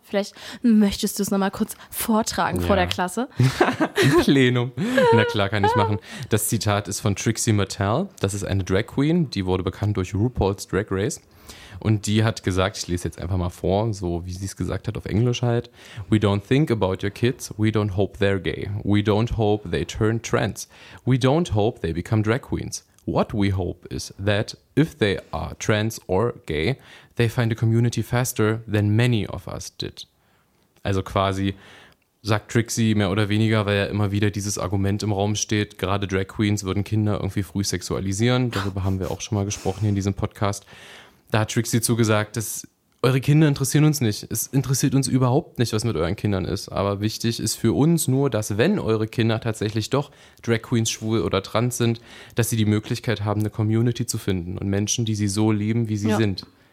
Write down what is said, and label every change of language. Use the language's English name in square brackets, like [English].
[German] Vielleicht möchtest du es nochmal kurz vortragen vor der Klasse. Im Plenum. Na klar, kann ich machen. Das Zitat ist von Trixie Mattel. Das ist eine Drag Queen, die wurde bekannt durch RuPaul's Drag Race. Und die hat gesagt, ich lese jetzt einfach mal vor, so wie sie es gesagt hat auf Englisch halt. [English] We don't think about your kids. We don't hope they're gay. We don't hope they turn trans. We don't hope they become drag queens. What we hope is that if they are trans or gay, they find a community faster than many of us did. [German] Also quasi sagt Trixie mehr oder weniger, weil ja immer wieder dieses Argument im Raum steht, gerade Drag Queens würden Kinder irgendwie früh sexualisieren. Darüber haben wir auch schon mal gesprochen hier in diesem Podcast. Da hat Trixie zugesagt, dass eure Kinder interessieren uns nicht. Es interessiert uns überhaupt nicht, was mit euren Kindern ist. Aber wichtig ist für uns nur, dass wenn eure Kinder tatsächlich doch Drag Queens, schwul oder trans sind, dass sie die Möglichkeit haben, eine Community zu finden und Menschen, die sie so lieben, wie sie sind.